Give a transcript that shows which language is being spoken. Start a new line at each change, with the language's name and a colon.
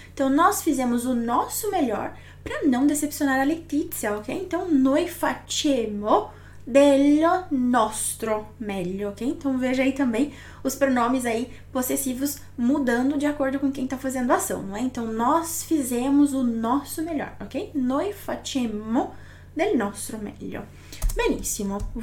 Portuguese: Então, nós fizemos o nosso melhor para não decepcionar a Letizia, ok?
Italian: Então, noi facemmo dello nostro meglio, ok?
Portuguese: Então, veja aí também os pronomes aí possessivos mudando de acordo com quem está fazendo a ação, não é? Então, nós fizemos o nosso melhor, ok?
Italian: Noi facemmo del nostro meglio. Benissimo.